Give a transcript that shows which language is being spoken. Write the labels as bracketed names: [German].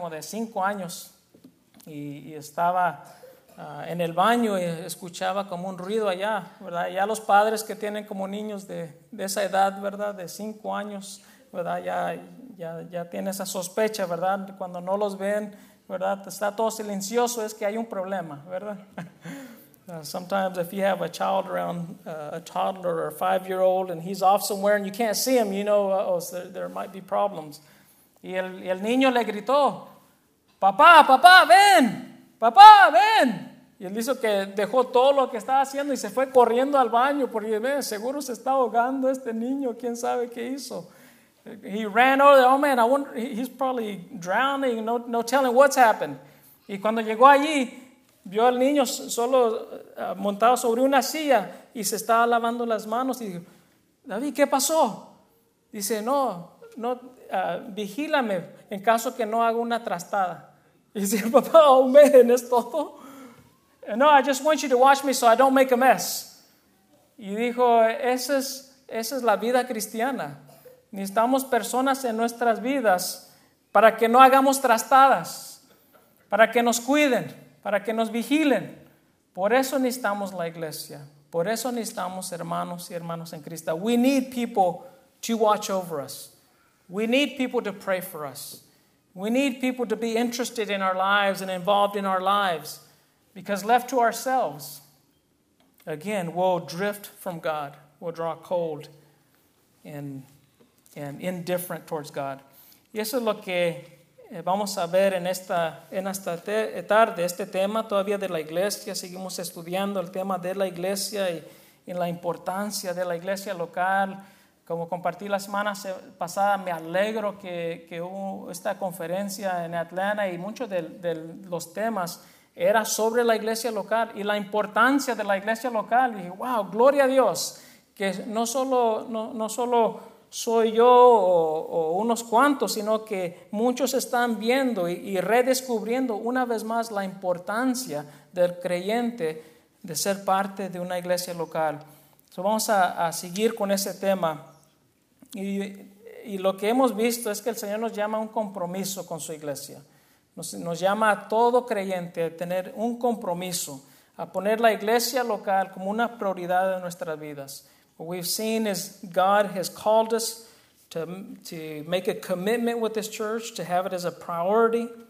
[Spanish] Como de 5 años. Y estaba en el baño y escuchaba como un ruido allá, ¿verdad? Ya los padres que tienen como niños de esa edad, ¿verdad? De 5 años, ¿verdad? Ya tiene esa sospecha, ¿verdad? Cuando no los ven, ¿verdad? Está todo silencioso, es que hay un problema, ¿verdad? [English] Sometimes if you have a child around, a toddler or a 5-year-old, and he's off somewhere and you can't see him, you know, there might be problems. [Spanish] Y el niño le gritó, papá, papá, ven, papá, ven. Y él hizo que dejó todo lo que estaba haciendo y se fue corriendo al baño, porque man, seguro se está ahogando este niño, quién sabe qué hizo. [English] He ran over there, oh man, I wonder, he's probably drowning, no telling what's happened. [Spanish] Y cuando llegó allí, vio al niño solo montado sobre una silla y se estaba lavando las manos. Y dijo, David, ¿qué pasó? Dice, no, vigílame en caso que no haga una trastada. Y dice, papá, [English] oh man, [Spanish] ¿es todo? [English] No, I just want you to watch me so I don't make a mess. [Spanish] Y dijo, esa es la vida cristiana. Necesitamos personas en nuestras vidas para que no hagamos trastadas, para que nos cuiden, para que nos vigilen. Por eso necesitamos la iglesia. Por eso necesitamos hermanos y hermanas en Cristo. [English] We need people to watch over us. We need people to pray for us. We need people to be interested in our lives and involved in our lives. Because left to ourselves, again, we'll drift from God. We'll draw cold and indifferent towards God. [Spanish] Y eso es lo que vamos a ver en esta tarde, este tema todavía de la iglesia. Seguimos estudiando el tema de la iglesia y la importancia de la iglesia local. Como compartí la semana pasada, me alegro que hubo esta conferencia en Atlanta y muchos de los temas era sobre la iglesia local y la importancia de la iglesia local. Y dije, wow, gloria a Dios, que no solo soy yo o unos cuantos, sino que muchos están viendo y redescubriendo una vez más la importancia del creyente de ser parte de una iglesia local. So vamos a seguir con ese tema. Y lo que hemos visto es que el Señor nos llama a un compromiso con su iglesia. Nos llama a todo creyente a tener un compromiso, a poner la iglesia local como una prioridad en nuestras vidas. What we've seen is God has called us to make a commitment with this church, to have it as a priority.